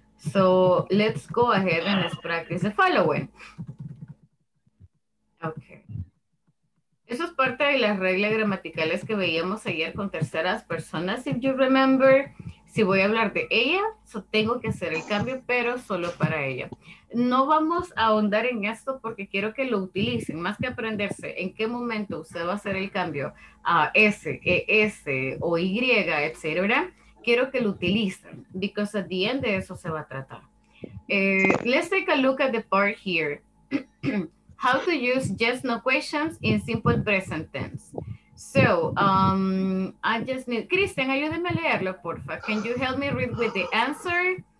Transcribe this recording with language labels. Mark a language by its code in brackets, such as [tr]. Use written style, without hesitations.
[en] So let's go ahead and let's practice the following. Okay. [es] Eso es parte de las reglas gramaticales que veíamos ayer con terceras personas. [en] If you remember, [es] si voy a hablar de ella, so tengo que hacer el cambio, pero solo para ella. No vamos a ahondar en esto porque quiero que lo utilicen. Más que aprenderse en qué momento usted va a hacer el cambio a S, ES o Y, etc. Quiero que lo utilicen. [en] Because at the end [es] de eso se va a tratar. [en] Let's take a look at the part here. How to use yes, no questions in simple present tense. So, I just need, Christian, [es] ayúdeme a leerlo, porfa. [en] Can you help me read with the answer?